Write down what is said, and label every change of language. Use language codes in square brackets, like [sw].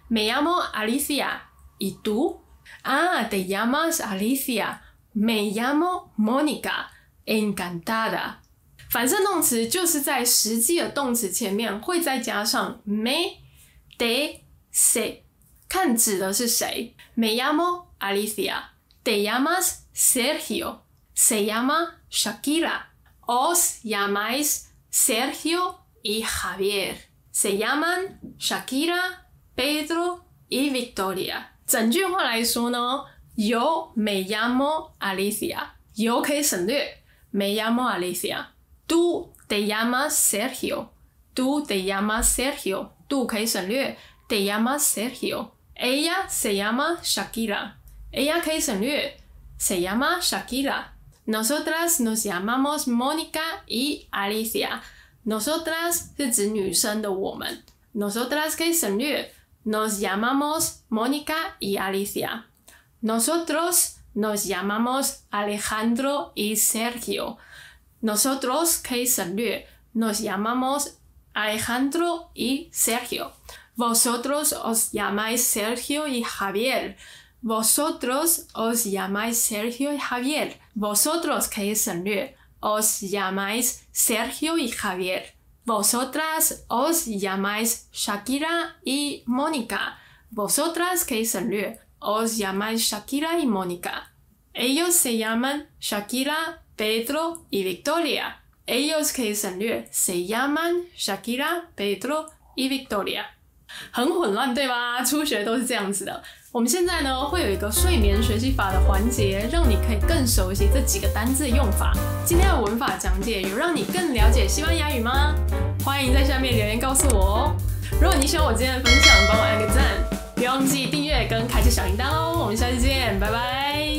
[es] Me llamo Alicia, ¿y tú? Ah, te llamas Alicia. Me llamo Monica, encantada. [zh] 反身动词就是在实际的动词前面会再加上 me, de, se, 看指的是谁。 [es] Me llamo Alicia, te llamas Sergio. Se llama Shakira. Os llamáis Sergio y Javier. Se llaman Shakira, Pedro y Victoria. [zh] 整句话来说呢 [es] Yo me llamo Alicia. Yo [zh] 可以省略 [es] Me llamo Alicia. Tú te llamas Sergio. Tú te llamas Sergio. Tú [zh] 可以省略 [es] Te llamas Sergio. Ella se llama Shakira. Ella [zh] 可以省略 [es] Se llama Shakira. Nosotras nos llamamos Mónica y Alicia. [zh] Nosotras 是指女生的我们。 [es] Nosotras [zh] 可以省略 [es] Nos llamamos Mónica y Alicia. Nosotros nos llamamos Alejandro y Sergio. Nosotros [zh] 可以省略 [es] Nos llamamos Alejandro y Sergio. Vosotros os llamáis Sergio y Javier. Vosotros os llamáis Sergio y Javier. Vosotros [zh] 可以省略 [es] Os llamáis Sergio y Javier. Vosotras os llamáis Shakira y Mónica. Vosotras, que es el lío, os llamáis Shakira y Mónica. Ellos se llaman Shakira, Pedro y Victoria. Ellos, que es el lío, se llaman Shakira, Pedro y Victoria. [zh] 很混乱对吧？初学都是这样子的。我们现在呢会有一个睡眠学习法的环节，让你可以更熟悉这几个单字的用法。今天的文法讲解有让你更了解西班牙语吗？欢迎在下面留言告诉我哦。如果你喜欢我今天的分享，帮我按个赞，别忘记订阅跟开启小铃铛哦。我们下次见，拜拜。